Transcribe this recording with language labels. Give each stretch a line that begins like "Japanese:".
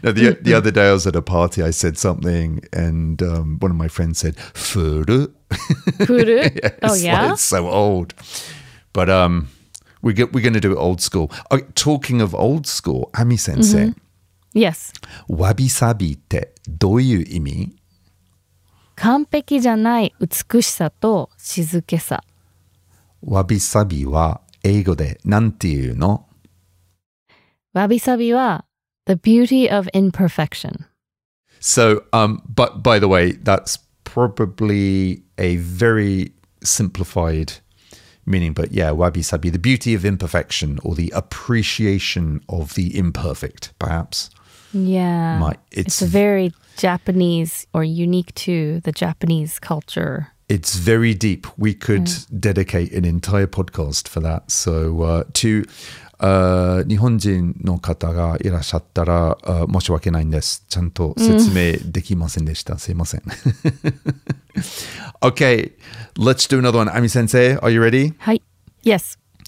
English: Now, the other day I was at a party, I said something, and one of my friends said, Furu. Furu? Yes, oh, yeah? Like, it's so old. But we're going to do it old school. Talking of old school, Ami-sensei, mm-hmm. Yes.
Japanese: Wabi-sabi ってどういう意味？完璧じゃない美しさと静けさ。 Wabi-sabi は英語でなんていうの？
English: Wabi-sabi
Japanese: は
English: the beauty of imperfection. So, but by the way, that's probably a very simplified meaning, but yeah, wabi-sabi, the beauty of imperfection or the appreciation of the imperfect, perhaps. Yeah, it's very Japanese or unique to the Japanese culture. It's very deep. We could dedicate an entire podcast for that. So to
Japanese: 日本人の方がいらっしゃったら申し訳ないんです。ちゃんと説明できませんでした。すいません。
English: Okay, let's do another one. Ami 先生, are you ready?
Japanese: はい。
English: Yes.